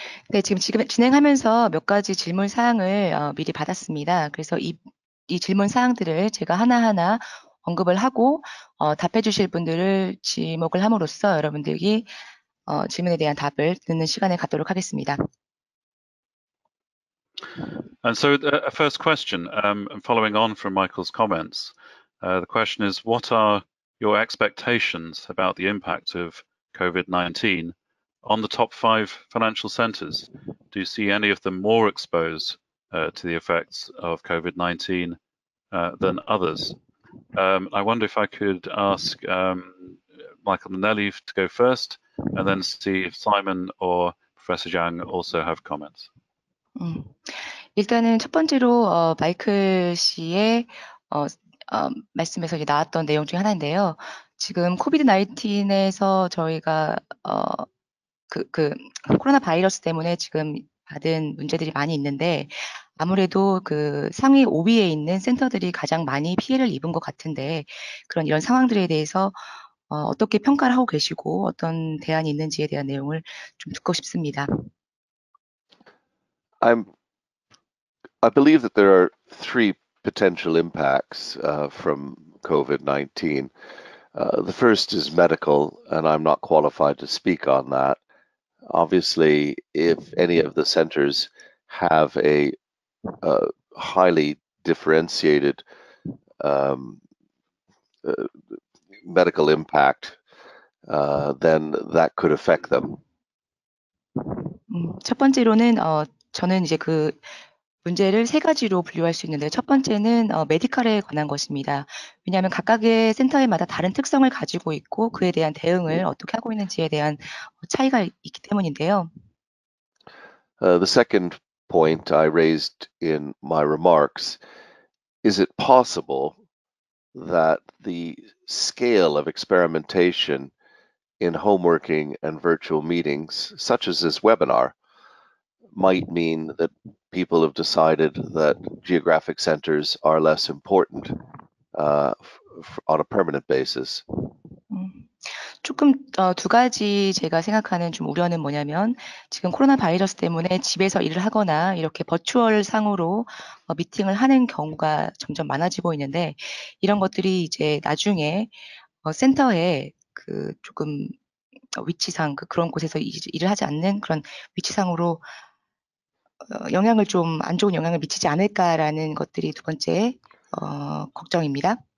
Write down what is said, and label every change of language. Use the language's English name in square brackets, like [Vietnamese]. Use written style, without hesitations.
[Korean] 네, 지금 진행하면서 몇 가지 질문 사항을 미리 받았습니다. 그래서 이 질문 사항들을 제가 하나하나 언급을 하고 답해 주실 분들을 지목을 함으로써 여러분들이 질문에 대한 답을 듣는 시간을 갖도록 하겠습니다. [English] And so a first question, following on from Michael's comments. The question is, what are your expectations about the impact of COVID-19 on the top five financial centres. Do you see any of them more exposed to the effects of COVID-19 than others? I wonder if I could ask Michael Mainelli to go first, and then see if Simon or Professor Zhang also have comments. [Korean] 일단은 첫 번째로 마이클 씨의 말씀에서 이제 나왔던 내용 중에 하나인데요. 지금 COVID-19에서 저희가 코로나 바이러스 때문에 지금 받은 문제들이 많이 있는데 아무래도 그 상위 5위에 있는 센터들이 가장 많이 피해를 입은 것 같은데 그런 이런 상황들에 대해서 어떻게 평가를 하고 계시고 어떤 대안이 있는지에 대한 내용을 좀 듣고 싶습니다. [English] I believe that there are three potential impacts from COVID-19. The first is medical, and I'm not qualified to speak on that. Obviously, if any of the centers have a highly differentiated medical impact, then that could affect them. [Korean] 첫 번째로는 저는 이제 그 문제를 세 가지로 분류할 수 있는데요. 첫 번째는 메디컬에 관한 것입니다. 왜냐하면 각각의 센터에마다 다른 특성을 가지고 있고 그에 대한 대응을 어떻게 하고 있는지에 대한 차이가 있기 때문인데요. [English] The second point I raised in my remarks, is it possible that the scale of experimentation in home working and virtual meetings, such as this webinar, might mean that people have decided that geographic centers are less important on a permanent basis. [Korean] 조금 두 가지 제가 생각하는 좀 우려는 뭐냐면 지금 코로나 바이러스 때문에 집에서 일을 하거나 이렇게 버추얼 상으로 미팅을 하는 경우가 점점 많아지고 있는데 이런 것들이 이제 나중에 센터에 그 조금 위치상 그런 곳에서 일을 하지 않는 그런 위치상으로 영향을 좀 안 좋은 영향을 미치지 않을까라는 것들이 두 번째 걱정입니다.